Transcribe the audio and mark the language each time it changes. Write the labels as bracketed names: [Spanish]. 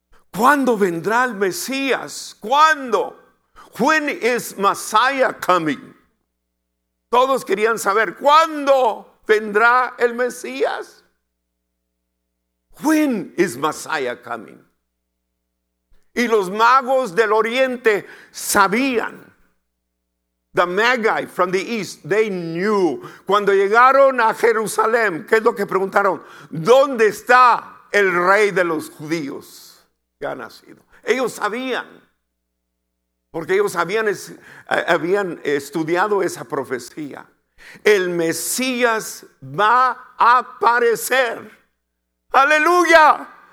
[Spanish] ¿Cuándo vendrá el Mesías? ¿Cuándo? [English] When is Messiah coming? [Spanish] Todos querían saber, ¿cuándo vendrá el Mesías? [English] When is Messiah coming? [Spanish] Y los magos del oriente sabían. [English] The Magi from the East, they knew. [Spanish] Cuando llegaron a Jerusalén, ¿qué es lo que preguntaron? ¿Dónde está el rey de los judíos que ha nacido? Ellos sabían. Porque ellos habían estudiado esa profecía. El Mesías va a aparecer. ¡Aleluya!